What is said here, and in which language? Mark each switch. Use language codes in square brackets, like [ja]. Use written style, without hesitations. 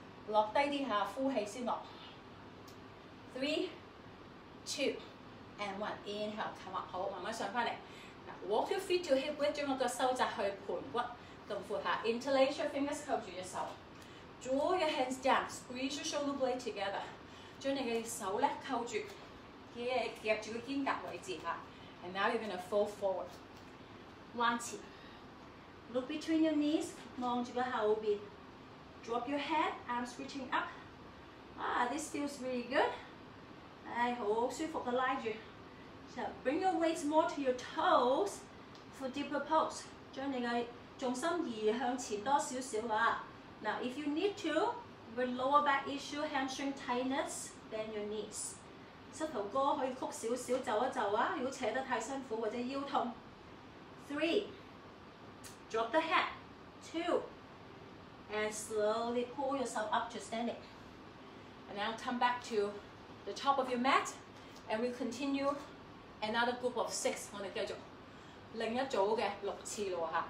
[yue] 落低啲下，呼氣先落。 [en] Three, two, and one. Inhale, come up. [yue] 好，慢慢上翻嚟。 [en] Walk your feet to hip width. [yue] 將嗰個收窄去盤骨，動闊下。 [en] Interlace your fingers. [yue] 扣住隻手。 [en] Draw your hands down, squeeze your shoulder blade together. [yue] 將你嘅手咧扣住，夾住個肩胛位置嚇。 [en] And now you're gonna fold forward. [yue] 彎前。 [en] Look between your knees, [yue] 望住個後邊。 [en] Drop your head, arms reaching up. Ah, this feels really good. [yue] 哎，好舒服嘅拉住。 [en] So bring your weight more to your toes for deeper pose. [yue] 將你嘅重心移向前多少少啊。 [en] Now, if you need to, with lower back issue, hamstring tightness, bend your knees. [yue] 膝頭哥可以曲少少，皺一皺啊，如果扯得太辛苦或者腰痛。 [en] Three, drop the head. Two, and slowly pull yourself up to standing. And now come back to the top of your mat, and we'll continue another group of six. [yue] 我哋繼續另一組嘅六次咯嚇。